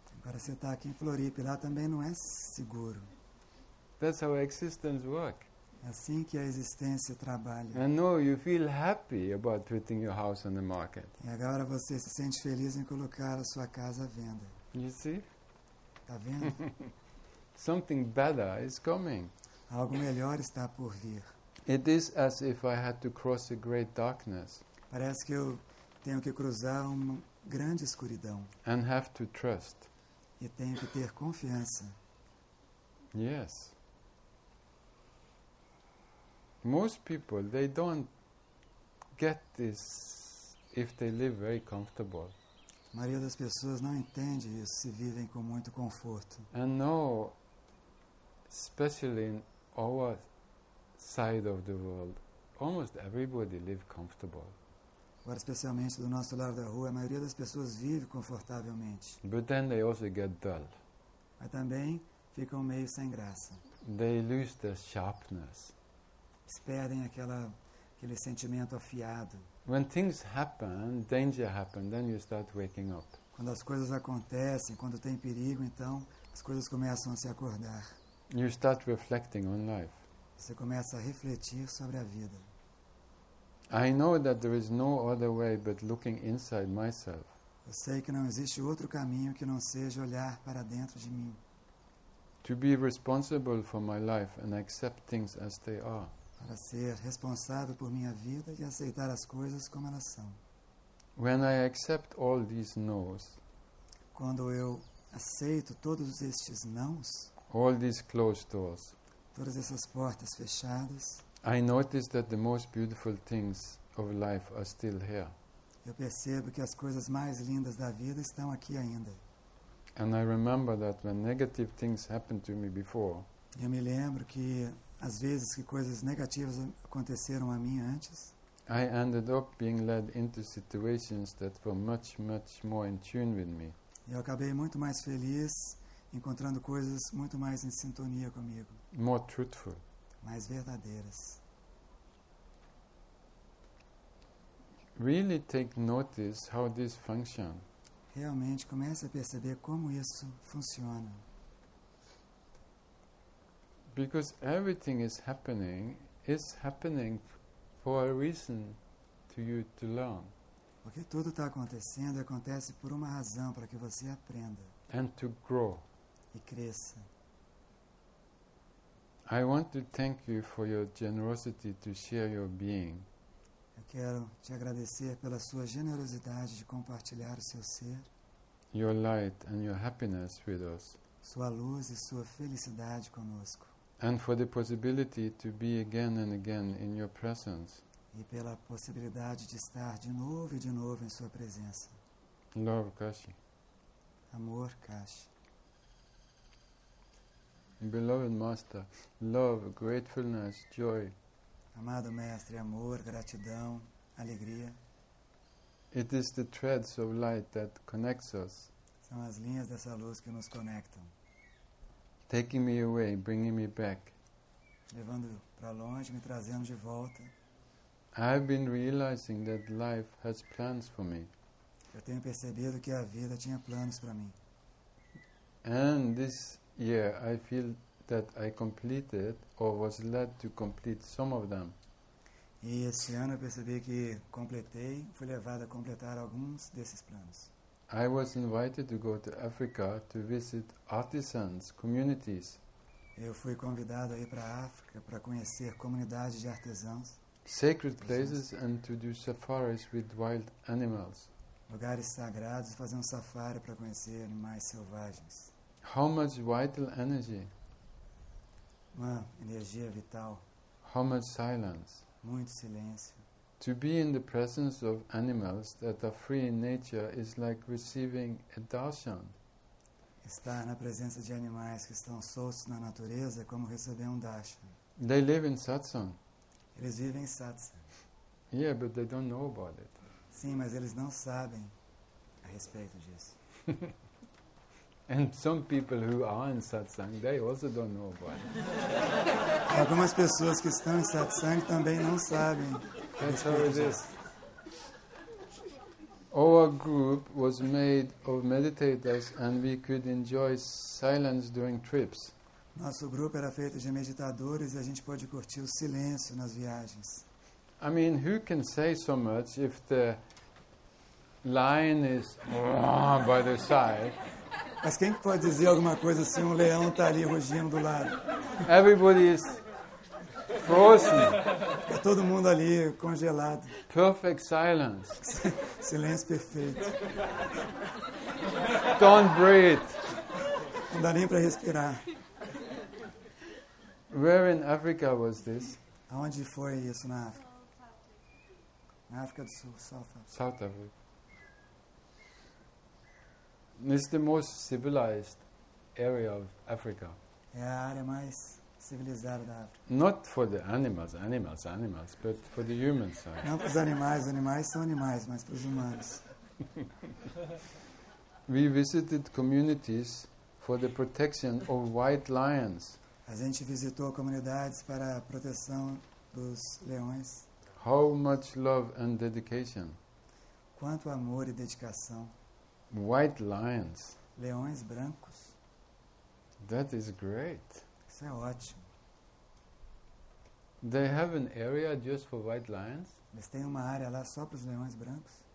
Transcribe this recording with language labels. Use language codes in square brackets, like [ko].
[pt] Agora você está aqui em Floripa, lá também não é seguro. [en] That's how existence works. [pt] É assim que a existência trabalha. [en] And now you feel happy about putting your house on the market. [pt] E agora você se sente feliz em colocar a sua casa à venda. [en] You see? [pt] Tá vendo? [en] Something better is coming. [pt] Algo melhor está por vir. [en] It is as if I had to cross a great darkness. [pt] Parece que eu tenho que cruzar uma grande escuridão. [en] And have to trust. [pt] E tenho que ter confiança. [en] Yes. Most people, they don't get this if they live very comfortable. [pt] A maioria das pessoas não entende isso se vivem com muito conforto. [en] And no, especially in our side of the world, almost everybody live comfortable. [pt] Agora, especialmente do nosso lado da rua, a maioria das pessoas vive confortavelmente. [en] But then they also get dull. [pt] Mas também ficam meio sem graça. [en] They lose their sharpness. [pt] Eles perdem aquele sentimento afiado. [en] When things happen, danger happens, then you start waking up. [pt] Quando as coisas acontecem, quando tem perigo, então as coisas começam a se acordar. [en] You start reflecting on life. [pt] Você começa a refletir sobre a vida. [en] I know that there is no other way but looking inside myself. [pt] Eu sei que não existe outro caminho que não seja olhar para dentro de mim. [en] To be responsible for my life and accept things as they are. [pt] Para ser responsável por minha vida e aceitar as coisas como elas são. [en] When I accept all these no's. [pt] Quando eu aceito todos estes não's. [en] All these closed doors. [pt] Todas essas portas fechadas. [en] I notice that the most beautiful things of life are still here. [pt] Eu percebo que as coisas mais lindas da vida estão aqui ainda. [en] And I remember that when negative things happened to me before. [pt] Eu me lembro que às vezes que coisas negativas aconteceram a mim antes. [en] I ended up being led into situations that were much, much more in tune with me. [pt] Eu acabei muito mais feliz encontrando coisas muito mais em sintonia comigo. [en] More truthful. [pt] Mais verdadeiras. [en] Really take notice how this functions. [pt] Realmente comece a perceber como isso funciona. [en] Because everything is happening for a reason to you to learn. [pt] Porque tudo está acontecendo e acontece por uma razão para que você aprenda. [en] And to grow. [pt] E cresça. [en] I want to thank you for your generosity to share your being. [pt] Eu quero te agradecer pela sua generosidade de compartilhar o seu ser. [en] Your light and your happiness with us. [pt] Sua luz e sua felicidade conosco. [en] And for the possibility to be again and again in your presence. [pt] E pela possibilidade de estar de novo em sua presença. [en] Love, Kashi. [pt] Amor, Kashi. [en] Beloved Master, love, gratefulness, joy. [pt] Amado Mestre, amor, gratidão, alegria. [en] It is the threads of light that connects us. [pt] São as linhas dessa luz que nos conectam. [en] Taking me away, bringing me back. [pt] Levando para longe, me trazendo de volta. [en] I've been realizing that life has plans for me. [pt] Eu tenho percebido que a vida tinha planos para mim. [en] And this year, I feel that I completed or was led to complete some of them. [pt] E este ano eu percebi que completei, fui levado a completar alguns desses planos. [en] I was invited to go to Africa to visit artisans, communities. [pt] Eu fui convidado a ir para a África para conhecer comunidades de artesãos. [en] Sacred places and to do safaris with wild animals. [pt] Lugares sagrados e fazer um safari para conhecer animais selvagens. [en] How much vital energy? [pt] Uma energia vital. [en] How much silence? [pt] Muito silêncio. [en] To be in the presence of animals that are free in nature is like receiving a darshan. [pt] Estar na presença de animais que estão soltos na natureza é como receber um darshan. [en] They live in satsang. [pt] Eles vivem em satsang. [en] Yeah, but they don't know about it. [pt] Sim, mas eles não sabem a respeito disso. [en] And some people who are in satsang, they also don't know about it. [pt] Algumas pessoas que estão em satsang também não sabem. [en] That's how it is. Our group was made of meditators and we could enjoy silence during trips. [pt] Nosso grupo era feito de meditadores e a gente pode curtir o silêncio nas viagens. [en] I mean, who can say so much if the lion is by the side? [pt] Mas quem pode dizer alguma coisa assim? Um leão está ali rugindo do lado. [en] Everybody is frozen. [pt] Está todo mundo ali congelado. [en] Perfect silence. [pt] Silêncio perfeito. [en] Don't breathe. [pt] Não dá nem para respirar. [en] Where in Africa was this? [pt] Aonde foi isso na África? Na África do Sul, South Africa. [en] South Africa. It's the most civilized area of Africa. [pt] É a área mais civilizada da África. [en] Not for the animals, but for the human side. [pt] Não para os animais são animais, mas para os humanos. [en] We visited communities for the protection of white lions. [pt] A gente visitou comunidades para a proteção dos leões. [en] How much love and dedication. [pt] Quanto amor e dedicação. [en] White lions. [pt] Leões brancos. [en] That is great. [pt] Isso é ótimo. [en] They have an area just for white lions. [pt] Eles têm uma área lá só para os leões brancos.